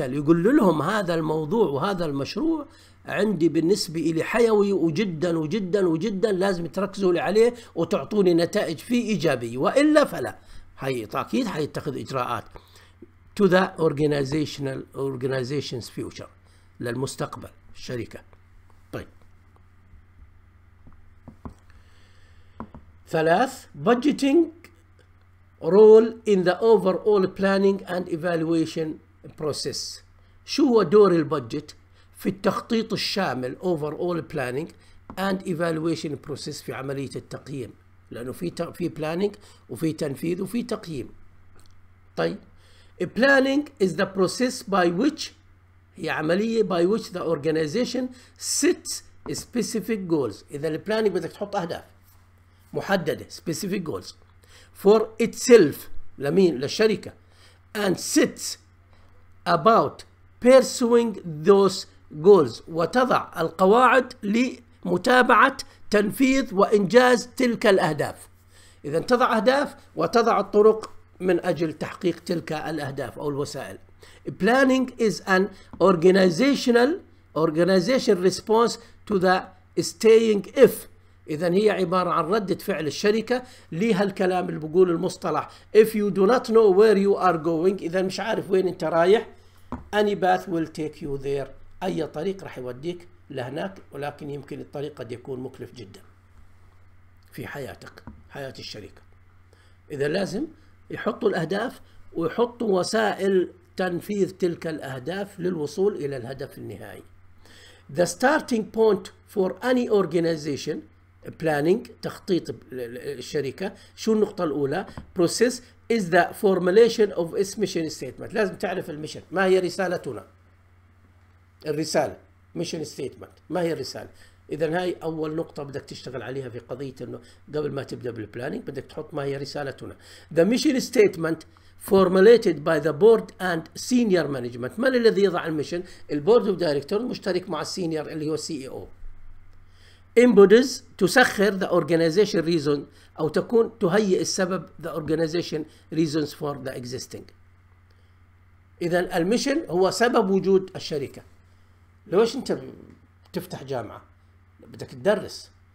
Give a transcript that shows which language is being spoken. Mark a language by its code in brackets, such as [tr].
[ar] يقول لهم هذا الموضوع وهذا المشروع عندي بالنسبة لي حيوي وجدا وجدا وجدا، لازم تركزوا لي عليه وتعطوني نتائج فيه إيجابية، وإلا فلا. هي أكيد حيتخذ إجراءات [en] to the organization's future، [ar] للمستقبل الشركة. ثلاث [en] budgeting role in the overall planning and evaluation process. [ar] شو هو دور البادجت في التخطيط الشامل [en] overall planning and evaluation process [ar] في عملية التقييم؟ لأنه في planning وفي تنفيذ وفي تقييم. طيب [en] planning is the process by which [ar] هي عملية [en] by which the organization sets specific goals. [ar] إذا planning بدك تحط أهداف محددة [en] specific goals for itself [ar] لمين؟ للشركة. [en] and sets about pursuing those goals [ar] وتضع القواعد لمتابعة تنفيذ وإنجاز تلك الأهداف. إذا تضع أهداف وتضع الطرق من أجل تحقيق تلك الأهداف أو الوسائل. [en] planning is an organizational response to the staying if. [ar] إذا هي عبارة عن ردة فعل الشركة لهالكلام اللي بقول المصطلح [en] if you do not know where you are going، [ar] إذا مش عارف وين أنت رايح، [en] any path will take you there، [ar] أي طريق راح يوديك لهناك، ولكن يمكن الطريق قد يكون مكلف جدا في حياتك، حياة الشركة. إذا لازم يحطوا الأهداف ويحطوا وسائل تنفيذ تلك الأهداف للوصول إلى الهدف النهائي. [en] The starting point for any organization planning [ar] تخطيط الشركة، شو النقطة الأولى؟ [en] process is the formulation of its mission statement. [ar] لازم تعرف المشن، ما هي رسالتنا؟ الرسالة، mission statement، ما هي الرسالة؟ إذا هاي أول نقطة بدك تشتغل عليها في قضية إنه قبل ما تبدأ بالبلانينج بدك تحط ما هي رسالتنا. [en] The mission statement formulated by the board and senior management. [ar] من الذي يضع المشن؟ [en] البورد of director [ar] مشترك مع السينيور اللي هو سي اي او. [en] Embodies [ar] تسخر [en] the organization reason [ar] أو تكون تهيئ السبب [en] the organization reasons for the existing. [ar] إذا المشن هو سبب وجود الشركة. ليش أنت تفتح جامعة؟ بدك تدرس.